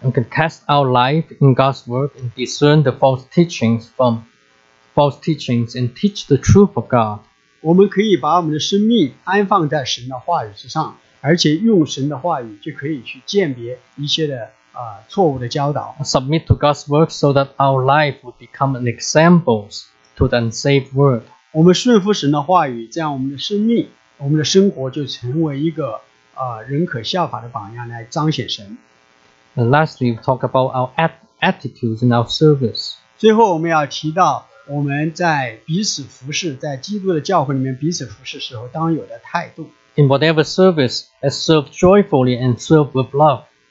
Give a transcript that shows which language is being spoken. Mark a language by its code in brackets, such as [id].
[en] We can cast our life in God's word and discern the false teachings from false teachings and teach the truth of God. [zh] 我们可以把我们的生命安放在神的话语之上。而且用神的话语就可以去鉴别一些的错误的教导。 [en] Submit to God's word so that our life would become an example to the unsaved world. [zh] 我们顺服神的话语，这样我们的生命，我们的生活就成为一个人可效法的榜样来彰显神。 [en] And lastly, we talk about our attitudes and our service. [zh] 最后我们要提到我们在彼此服事，在基督的教会里面彼此服事时候当有的态度。 [en] In whatever service, as serve joyfully and serve with love.